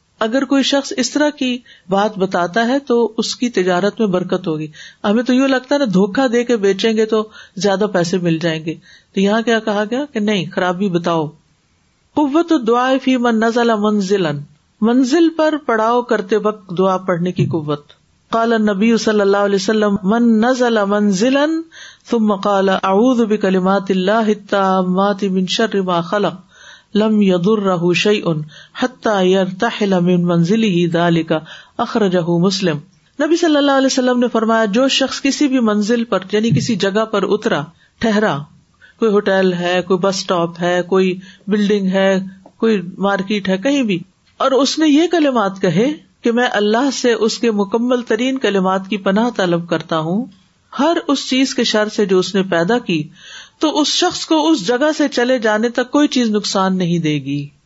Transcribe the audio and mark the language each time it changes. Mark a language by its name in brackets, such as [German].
[Urdu] اگر کوئی شخص اس طرح کی بات بتاتا ہے تو اس کی تجارت میں برکت ہوگی. ہمیں تو یوں لگتا ہے نا دھوکہ دے کے بیچیں گے تو زیادہ پیسے مل جائیں گے. تو یہاں کیا کہا گیا کہ نہیں, خرابی بتاؤ. [Arabic] قوت الدعاء فی من نزل منزلا, [Urdu] منزل پر پڑاؤ کرتے وقت دعا پڑھنے کی قوت. [Arabic] قال النبی صلی اللہ علیہ وسلم من نزل منزلا ثم قال اعوذ بکلمات اللہ التامات من شر ما خلق لم يضره شيء حتى يرتحل من منزله ذلك اخرجه مسلم. [Urdu] نبی صلی اللہ علیہ وسلم نے فرمایا جو شخص کسی بھی منزل پر یعنی کسی جگہ پر اترا, ٹھہرا, کوئی ہوٹل ہے, کوئی بس سٹاپ ہے, کوئی بلڈنگ ہے, کوئی مارکیٹ ہے, کہیں بھی, اور اس نے یہ کلمات کہے کہ میں اللہ سے اس کے مکمل ترین کلمات کی پناہ طلب کرتا ہوں ہر اس چیز کے شر سے جو اس نے پیدا کی, تو اس شخص کو اس جگہ سے چلے جانے تک کوئی چیز نقصان نہیں دے گی.